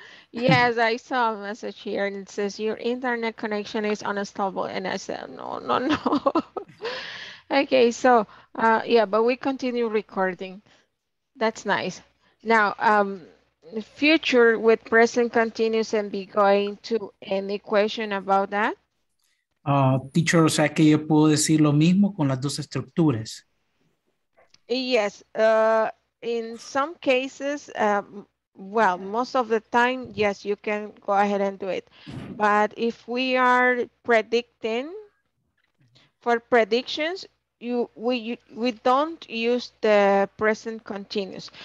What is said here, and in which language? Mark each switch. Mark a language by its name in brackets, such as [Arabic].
[English] Yes, I saw a message here and it says your internet connection is unstable. And I said, no. Okay, so but we continue recording. That's nice. Now, future with present continuous and be going to, any question about that? [Spanish] Teacher, o sea que yo puedo decir lo mismo con las dos estructuras. [English] Yes, in some cases, most of the time, yes, you can go ahead and do it. But if we are predicting, for predictions, we don't use the present continuous.